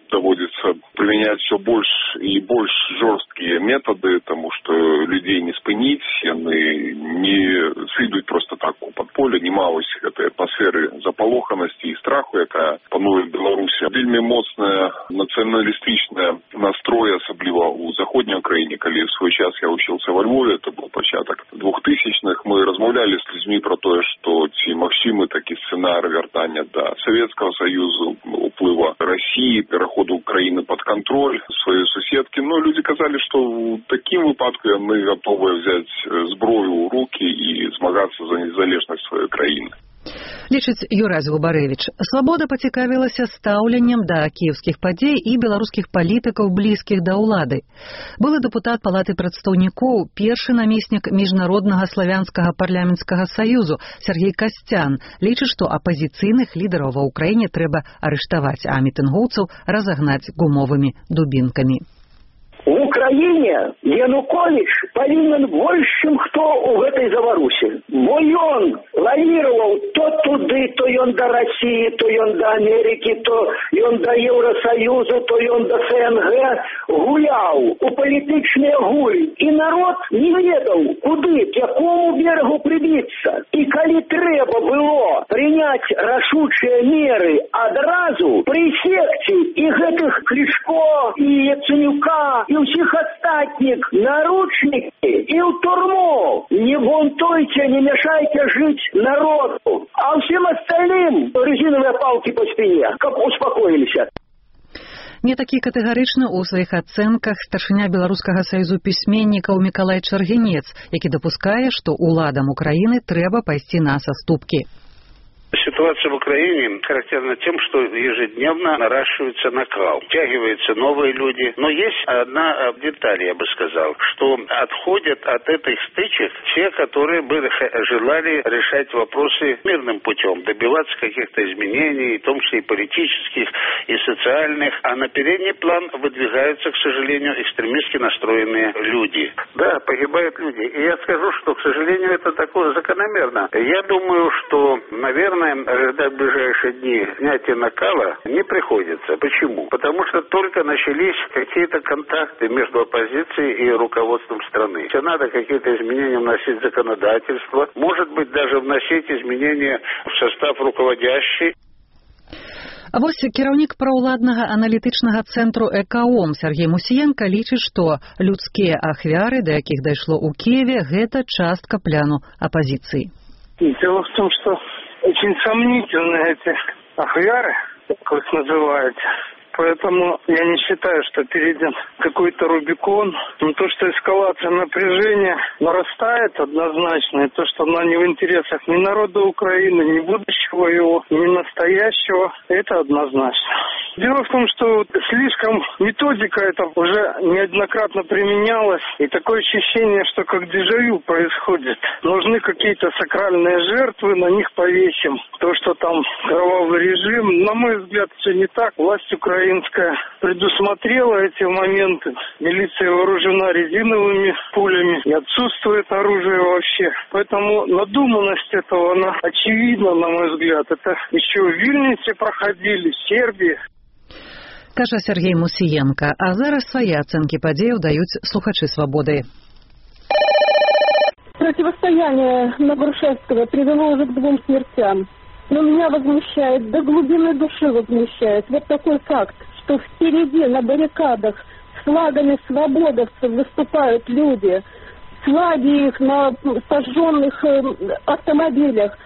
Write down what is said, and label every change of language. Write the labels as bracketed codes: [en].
[be] Даводзіцца прымяняць усё больш і больш жорсткія метады, таму што людзей не спыніць, яны не сыдуць проста так у падполе, нема ось гэтай атмасферы запалоханасці і страху, якая пануе ў Беларусі. Вельмі моцная нацыяналістычная настроя, асабліва ў заходняй краіне, калі ў свой час я вучыўся ва Львове, это быў пачатак 2000-х, мы размаўлялі з людзьмі пра тое, што ці магчымы такі сцэнар вяртання да савецкага. [ru] Советского Союза, уплыва России, перехода Украины под контроль своей соседки. Но люди казали, что в таким выпадке мы готовы взять зброю у руки и змагаться за незалежность своей краины. [be] Лічыць Юрай Згубаревіч, «Свабода» пацікавілася стаўленнем да кіевскіх падзей і беларускіх палітыкаў, блізкіх да ўлады. Былы дэпутат Палаты прадстаўнікоў, першы намеснік Міжнароднага славянскага парламенцкага саюзу Сергей Касцян лічыць, што апазіцыйных лідараў ва ўкраіне трэба арыштаваць, а мітынгоўцаў разагнаць гумовымі дубінкамі. [ru] В Украине Янукович повинен больше, чем кто у этой заварухи. Бо он лавировал то туды, то он до России, то он до Америки, то он до Евросоюза, то он до СНГ. Гулял у политичные гуль. И народ не ведал, куды, к какому берегу прибиться. И коли треба было принять рашучие меры одразу, пресекти их этих Кличко и Яценюка, и всех остатник, наручники и в турму. Не бунтуйте, не мешайте жить народу. А всем остальным резиновые палки по спине, как успокоились. [be] Не такі катэгарычны ў сваіх ацэнках старшыня Беларускага саюзу пісьменнікаў Мікалай Чаргінец, які дапускае, што ўладам Украіны трэба пайсці на саступкі. [ru] Ситуация в Украине характерна тем, что ежедневно наращивается накал, втягиваются новые люди. Но есть одна деталь, я бы сказал, что отходят от этих стычек те, которые бы желали решать вопросы мирным путем, добиваться каких-то изменений, в том числе и политических, и социальных. А на передний план выдвигаются, к сожалению, экстремистски настроенные люди. Да, погибают люди. И я скажу, что, к сожалению, это такое закономерно. Я думаю, что, наверное, ожидать в ближайшие дни снятия накала не приходится. Почему? Потому что только начались какие-то контакты между оппозицией и руководством страны. Все надо какие-то изменения вносить в законодательство. Может быть, даже вносить изменения в состав руководящей. [be] А вось кіраўнік праўладнага аналітычнага цэнтру ЭКАОМ Сергей Мусіенка лічыць, што людскія ахвяры, да якіх дайшло ў Кіеве, гэта частка пляну апазіцыі. [ru] Дело в том, что очень сомнительны эти ахвяры, как их называют. Поэтому я не считаю, что перейдем какой-то Рубикон. Но то, что эскалация напряжения нарастает однозначно, и то, что она не в интересах ни народа Украины, ни будущего его, ни настоящего, это однозначно. Дело в том, что слишком методика эта уже неоднократно применялась, и такое ощущение, что как дежавю происходит. Нужны какие-то сакральные жертвы, на них повесим. То, что там кровавый режим, на мой взгляд, все не так. Власть украинская предусмотрела эти моменты. Милиция вооружена резиновыми пулями, и отсутствует оружие вообще. Поэтому надуманность этого, она очевидна, на мой взгляд. Это еще в Вильнюсе проходили, в Сербии. [be] Кажа Сергей Мусіенка, а зараз свае ацэнкі падзеяў даюць слухачы «Свабоды». [ru] Противостояние Новоршевского привело уже к двум смертям. Но меня возмущает, до глубины души возмущает вот такой факт, что впереди на баррикадах с флагами свободовцев выступают люди, флаги их на сожженных автомобилях.